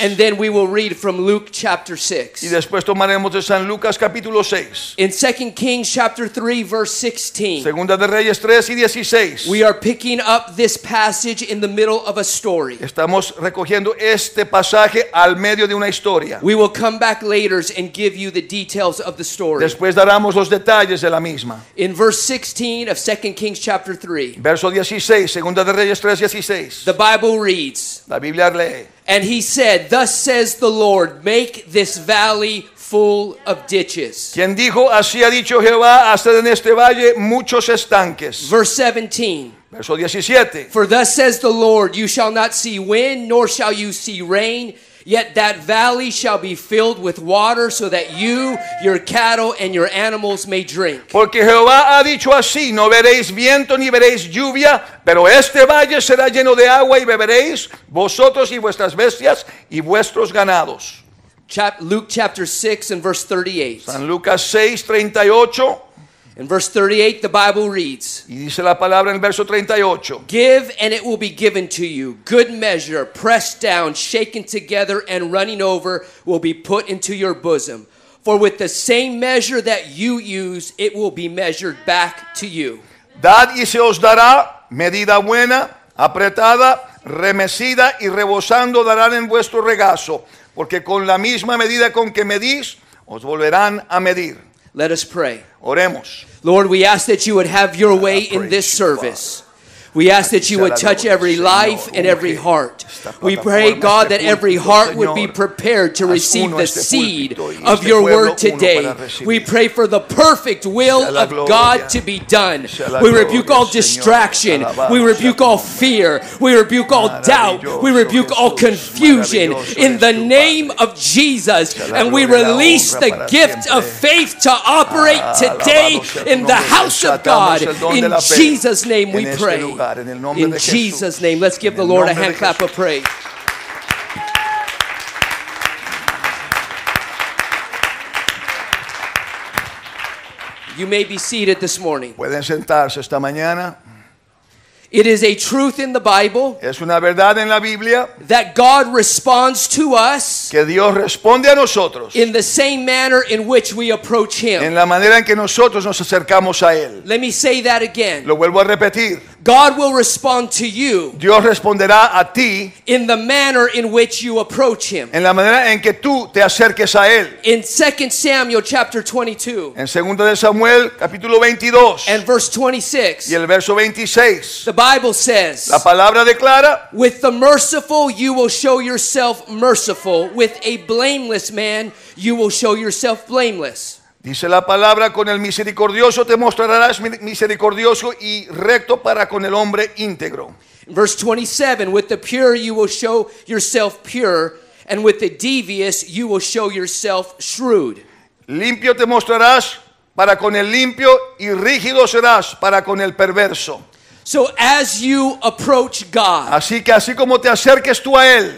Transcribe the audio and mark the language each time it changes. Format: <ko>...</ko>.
<en>And then we will read from Luke chapter 6.</en> <es>Y después tomaremos de San Lucas capítulo 6.</es> <en>In 2 Kings chapter 3 verse 16.</en> <es>Segunda de Reyes 3 y 16.</es> <en>We are picking up this passage in the middle of a story.</en> <es>Estamos recogiendo este pasaje al medio de una historia.</es> <en>We will come back later and give you the details of the story.</en> <es>Después daremos los detalles de la misma.</es> <en>In verse 16 of 2 Kings chapter 3.</en> <es>Verso 16, Segunda de Reyes 3 16.</es> <en>The Bible reads.</en> <es>La Biblia lee.</es> <en>And he said, thus says the Lord, make this valley full of ditches.</en> <es>Quien dijo, así ha dicho Jehová, haced en este valle muchos estanques.</es> <en>Verse 17.</en> <es>Verso 17.</es> <en>For thus says the Lord, you shall not see wind, nor shall you see rain, yet that valley shall be filled with water so that you, your cattle, and your animals may drink.</en> <es>Porque Jehová ha dicho así, no veréis viento ni veréis lluvia, pero este valle será lleno de agua y beberéis vosotros y vuestras bestias y vuestros ganados.</es> <en>Luke chapter 6 and verse 38.</en> <es>San Lucas 6, 38.</es> <en>In verse 38, the Bible reads,</en> <es>y dice la palabra en el verso 38,</es> <en>give and it will be given to you. Good measure, pressed down, shaken together, and running over will be put into your bosom. For with the same measure that you use, it will be measured back to you.</en> <es>Dad y se os dará, medida buena, apretada, remecida y rebosando darán en vuestro regazo. Porque con la misma medida con que medís, os volverán a medir.</es> <en>Let us pray.</en> <es>Oremos.</es> <en>Lord, we ask that you would have your way in this service. We ask that you would touch every life and every heart. We pray, God, that every heart would be prepared to receive the seed of your word today. We pray for the perfect will of God to be done. We rebuke all distraction. We rebuke all fear. We rebuke all doubt. We rebuke all confusion in the name of Jesus. And we release the gift of faith to operate today in the house of God. In Jesus' name we pray. In Jesus' name, let's give the Lord a hand clap of praise. You may be seated this morning.</en> <es>Pueden sentarse esta mañana.</es> <en>It is a truth in the Bible.</en> <es>Es una verdad en la Biblia.</es> <en>That God responds to us.</en> <es>Que Dios responde a nosotros.</es> <en>In the same manner in which we approach Him.</en> <es>En la manera en que nosotros nos acercamos a Él.</es> <en>Let me say that again.</en> <es>Lo vuelvo a repetir.</es> <en>God will respond to you.</en> <es>Dios responderá a ti.</es> <en>In the manner in which you approach Him.</en> <es>En la manera en que tú te acerques a Él.</es> <en>In 2 Samuel chapter 22.</en> <es>En Segunda de Samuel capítulo 22.</es> <en>And verse 26.</en> <es>Y el verso 26.</es> <en>The Bible says.</en> <es>La palabra declara.</es> <en>With the merciful you will show yourself merciful. With a blameless man you will show yourself blameless.</en> <es>Dice la palabra, con el misericordioso te mostrarás misericordioso y recto para con el hombre íntegro.</es> <en>Verse 27, with the pure you will show yourself pure, and with the devious you will show yourself shrewd.</en> <es>Limpio te mostrarás Para con el limpio y rígido serás para con el perverso.</es> <en>So as you approach God,</en> <es>así que así como te acerques tú a él,</es>